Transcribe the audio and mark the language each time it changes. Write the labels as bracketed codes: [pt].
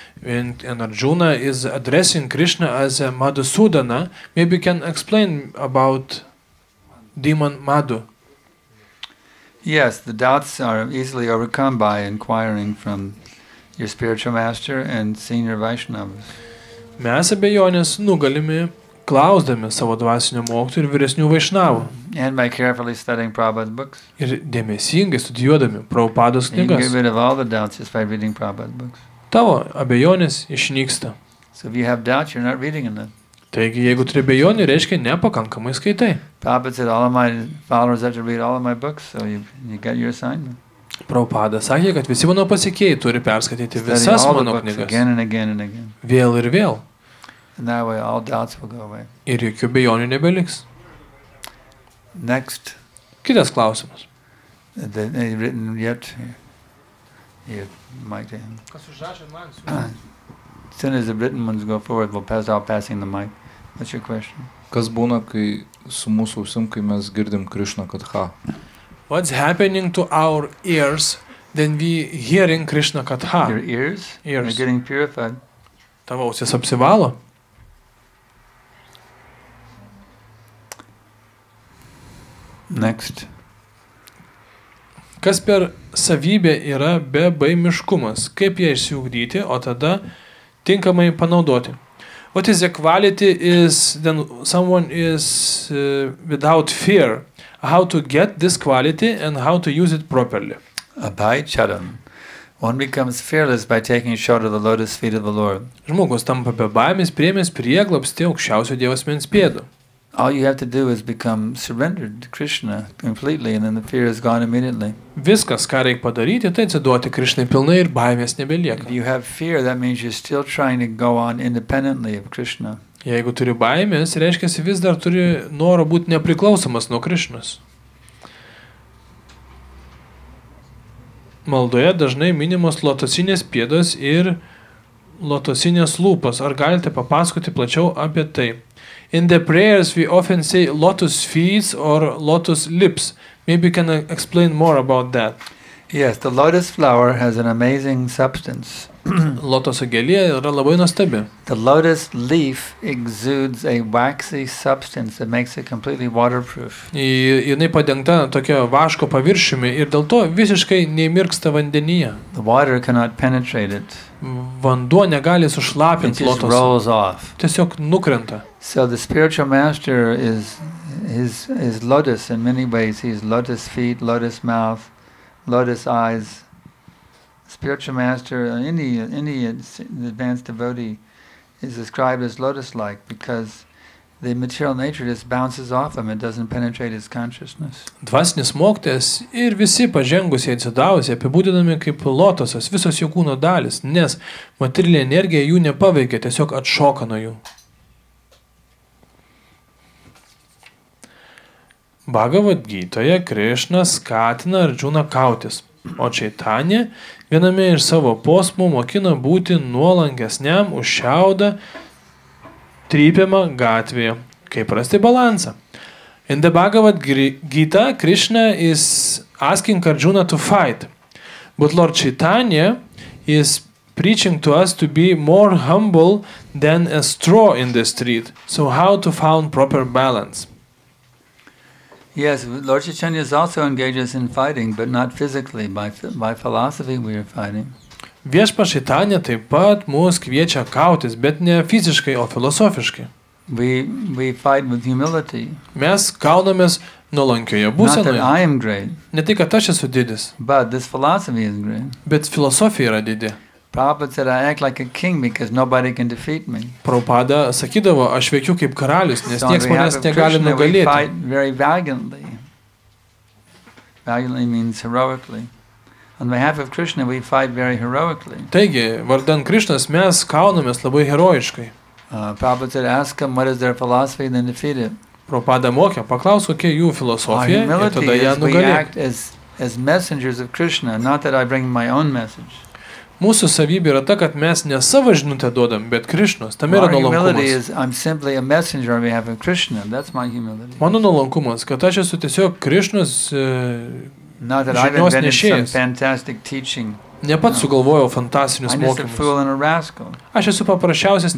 [en] And Arjuna is addressing Krishna as a Madhusudana. Maybe you can explain about demon Madhu. Yes, the doubts are easily overcome by inquiring from your spiritual master and senior Vaishnavas. [lt] Mes abejonės nugalimi klausdami savo dvasinio mokytojo ir vyresnių Vaishnavų. [en] And by carefully studying Prabhupada's books. [lt] Ir dėmesingai studijuodami Prabhupados knygas. [en] You can get rid of all the doubts just by reading Prabhupada's books. [lt] Tavo abejonės išnyksta. [en] So if you have doubt, you're not reading enough. [lt] Taigi, jeigu turi abejonį, reiškia nepakankamai skaitai. [en] Prabhupada said all of my followers have to read all of my books, so you get your assignment. [lt] Prabhupada sakė, kad visi mano pasiekėjai turi perskaityti visas mano knygas. [en] Again and again and again. [lt] Vėl ir vėl. [en] And that way all doubts will go away. [lt] Ir jokių abejonių nebeliks. [en] Next. [lt] Kitas klausimas. [en] They written yet? Mic to him. As soon as the written ones go forward, we'll pass out passing the mic. What's your question? [lt] Kas būna, kai su mūsų ausim, kai mes girdim Krishna Katha? [en] What's happening to our ears when we hearing Krishna Katha? Your ears? Ears. You're getting purified. [lt] Tavo ausis apsivalo? [en] Next. [lt] Kas per savybė yra be baimiškumas? Kaip ją išsiugdyti, o tada tinkamai panaudoti? [en] What is the quality is then someone is without fear? How to get this quality and how to use it properly? Abhay Charan. One becomes fearless by taking shelter of the lotus feet of the Lord. [lt] Žmogus tampa be baimės, priėmės prieglobstį aukščiausio Dievo asmens pėdų. [en] All you have to do is become surrendered to Krishna completely and then the fear is gone immediately. [lt] Viskas, ką reik padaryti, tai atsiduoti Krishnai pilnai ir baimės nebelieka. [en] If you have fear, that means you're still trying to go on independently of Krishna. [lt] Jeigu turi baimės, reiškia, vis dar turi noro būti nepriklausomas nuo Krishnas. Maldoje dažnai minimos lotosinės pėdos ir lotosinės lūpos. Ar galite papasakoti plačiau apie tai? [en] In the prayers, we often say lotus feet or lotus lips. Maybe you can explain more about that. Yes, the lotus flower has an amazing substance. [lt] Lotoso gėlė yra labai nuostabi. [en] The lotus leaf exudes a waxy substance that makes it completely waterproof. [lt] Jinai padengta tokio vaško paviršiumi ir dėl to visiškai neimirksta vandenyje. [en] The water cannot penetrate it. [lt] Vanduo negali sušlapinti lotoso. [en] It just rolls off. [lt] Tiesiog nukrenta. [en] So the spiritual master is his lotus in many ways. He's lotus feet, lotus mouth, lotus eyes. Spiritual master, any advanced devotee is described as lotus-like because the material nature just bounces off him. It doesn't penetrate his consciousness. [lt] Dvasinis mokytojas ir visi pažengusieji atsidavusieji apibūdinami kaip lotosas, visos jų kūno dalis, nes materialinė energija jų nepaveikia, tiesiog atšoka nuo jų. Bhagavad Gītoje Krishna skatina Arjuna kautis, o Čaitanya viename iš savo posmų mokina būti nuolankesniam už šiaudą trypiamą gatvėje. Kaip rasti balansą? [en] In the Bhagavad Gita, Krishna is asking Arjuna to fight. But Lord Chaitanya is preaching to us to be more humble than a straw in the street. So how to find proper balance? Yes, Lord Chaitanya also engages in fighting, but not physically. By philosophy we are fighting. [lt] Viešpats Chaitanya taip pat mus kviečia kautis, bet ne fiziškai, o filosofiškai. [en] We fight with humility. [lt] Mes kaunamės nuolankioje būsenoje. Ne tai, kad aš esu didis. [en] But this philosophy is great. [lt] Bet filosofija yra didi. [en] Prabhupada said, I act like a king because nobody can defeat me. [lt] Prabhupada sakydavo, aš veikiu kaip karalius, nes nieks manęs negali nugalėti. [en] We fight very valiantly. Valiantly means heroically. On behalf of Krishna, we fight very heroically. [lt] Taigi, vardan Krishnas, mes kaunamės labai herojiškai. [en] Prabhupada said, ask him, what is their philosophy, then defeat it. [lt] Prabhupada mokė, paklaus, kokia jų filosofija, ir tada ją nugalėti. [en] We act as messengers of Krishna, not that I bring my own message. [lt] Mūsų savybė yra ta, kad mes ne savo žinutę duodam, bet Krišnos. Tam yra nuolankumas. Mano nuolankumas, kad aš esu tiesiog Krišnos žinios nešėjas. Ne pats sugalvojau fantastinius mokymus. Aš esu paprasčiausias